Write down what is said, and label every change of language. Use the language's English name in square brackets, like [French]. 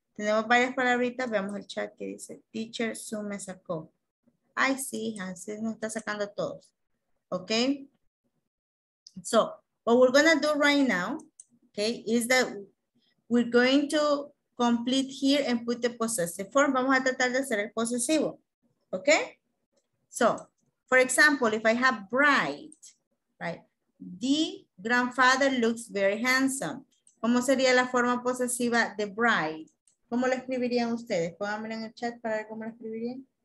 [Spanish] Tenemos varias palabritas, veamos el chat que dice, teacher, Zoom me sacó. Ay, sí, Hansen nos está sacando todos, okay? [English] So, what we're gonna do right now, okay, is that we're going to complete here and put the possessive form. [Spanish] Vamos a tratar de hacer el posesivo, okay? So, for example, if I have bride, right? [English] The grandfather looks very handsome. [Spanish] ¿Cómo sería la forma posesiva de bride? ¿Cómo la escribirían ustedes? Pónganmelo en el chat para ver cómo la escribirían.